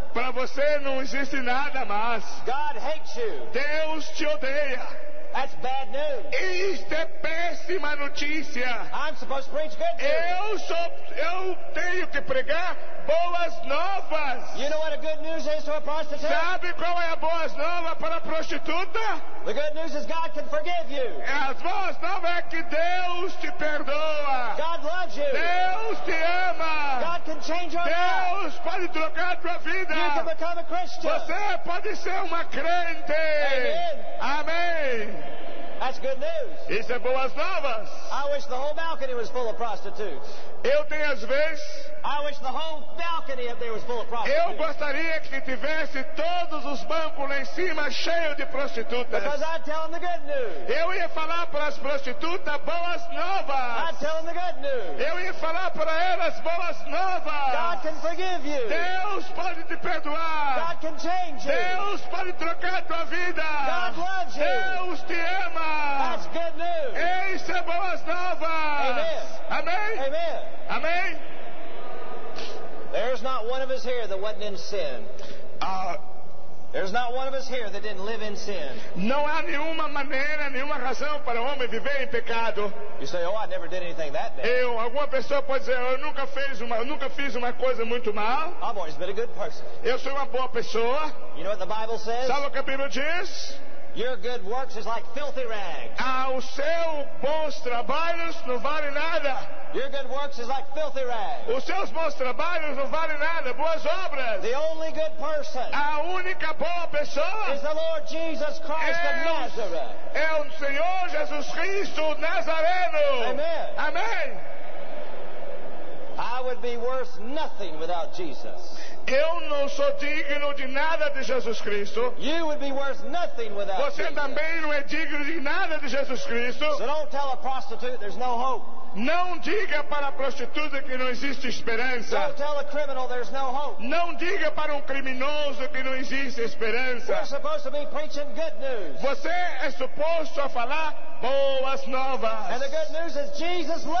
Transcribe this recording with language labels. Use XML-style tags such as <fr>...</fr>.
<pt>Para você não existe nada mais.</pt> <en>God hates you.</en> <pt>Deus te odeia.</pt> <en>That's bad news.</en> <pt>Isto é péssima notícia.</pt> <en>I'm supposed to preach good news.</en> <pt>Eu tenho que pregar boas novas.</pt> <en>You know what a good news is to a prostitute?</en> <pt>Sabe qual é a boas nova para a prostituta?</pt> <en>The good news is God can forgive you.</en> <pt>As boas novas é que Deus te perdoa.</pt> <en>God loves you.</en> <pt>Deus te ama.</pt> <en>God can change your</en> <pt>Deus</pt> <en>life.</en> <pt>Pode trocar a tua vida.</pt> <en>You can become a Christian.</en> <pt>Você pode ser uma crente.</pt> <en>Amen.</en> <pt>Amém.</pt> <en>That's good news.</en> <pt>Isso é boas novas.</pt> <en>I wish the whole balcony was full of prostitutes.</en> <pt>Eu tenho às vezes.</pt> <en>I wish the whole balcony up there was full of prostitutes.</en> <pt>Eu gostaria que tivesse todos os bancos lá em cima cheios de prostitutas.</pt> <en>Because I'd tell them the good news.</en> <pt>Eu ia falar para as prostitutas boas novas.</pt> <en>I'd tell them the good news.</en> <pt>Eu ia falar para elas boas novas.</pt> <en>God can forgive you.</en> <pt>Deus pode te perdoar.</pt> <en>God can change you.</en> <pt>Deus pode trocar tua vida.</pt> <en>God loves you.</en> <pt>Deus te ama.</pt> <en>That's good news.</en> <pt>Isso é boas novas.</pt> <en>Amen.</en> <pt>Amém.</pt> <en>Amen. There's not one of us here that wasn't in sin. There's not one of us here that didn't live in sin.</en> <pt>Não há nenhuma maneira, nenhuma razão para o homem viver em pecado.</pt> <en>You say, oh, I never did anything that bad.</en> <pt>Eu, alguma pessoa pode dizer, eu nunca fiz uma coisa muito mal.</pt> <en>I've always been a good person.</en> <pt>Eu sou uma boa pessoa.</pt> <en>You know what the Bible says?</en> <pt>Sabe o que a Bíblia diz?</pt> <en>Your good works is like filthy rags.</en> <pt>O seu bons trabalhos não vale nada.</pt> <en>Your good works is like filthy rags.</en> <pt>Os seus bons trabalhos não vale nada. Boas obras.</pt> <en>The only good person.</en> <pt>A única boa pessoa.</pt> <en>Is the Lord Jesus Christ of Nazareth.</en> <pt>É o Senhor Jesus Cristo Nazareno.</pt> <en>Amen. Amen. I would be worth nothing without Jesus.</en> <pt>Eu não sou digno de nada de Jesus Cristo.</pt> <en>You would be worth nothing without Jesus.</en> <pt>Você também não é digno de nada de Jesus Cristo.</pt> <en>So don't tell a prostitute there's no hope.</en> <pt>Não diga para a prostituta que não existe esperança.</pt> <en>Don't tell a criminal there's no hope.</en> <pt>Não diga para criminoso que não existe esperança.</pt> <en>You're supposed to be preaching good news.</en> <pt>Você é suposto a falar boas novas.</pt> <en>And the good news is Jesus loves</en>